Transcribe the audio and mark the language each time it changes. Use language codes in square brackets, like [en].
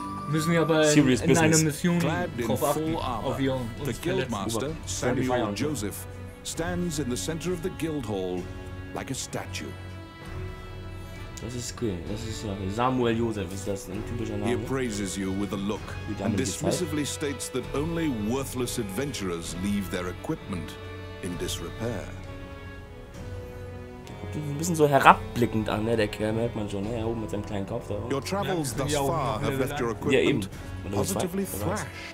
[de] Müssen wir aber in einer Mission drauf achten. [en] The Guildmaster, Samuel Joseph, stands in the center of the guild hall like a statue. [de] Das ist cool. Das ist Samuel Joseph, ist das ein typischer Name? [en] He appraises you with a look and dismissively states that only worthless adventurers leave their equipment in disrepair. [de] Ein bisschen so herabblickend an, ne? Der Kerl merkt man schon, ne? Er oben mit seinem kleinen Kopf da. [en] Your travels thus far have left your equipment positively thrashed.